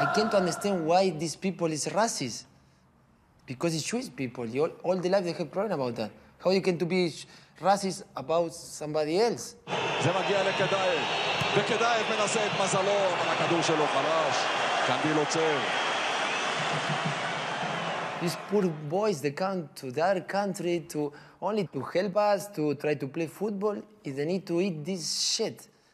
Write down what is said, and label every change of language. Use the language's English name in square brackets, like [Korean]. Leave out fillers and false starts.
[English] To understand why these people is racist, because it's Jewish people. All the life they have problem about that. How you can to be racist about somebody else? [Hebrew] זה מגיע לקדאייב, וקדאייב מנסה את מזלו, אבל הכדור שלו חלש, קנדיל עוצר. [English] These poor boys, they come to their country to only to help us, to try to play football, and they need to eat this shit.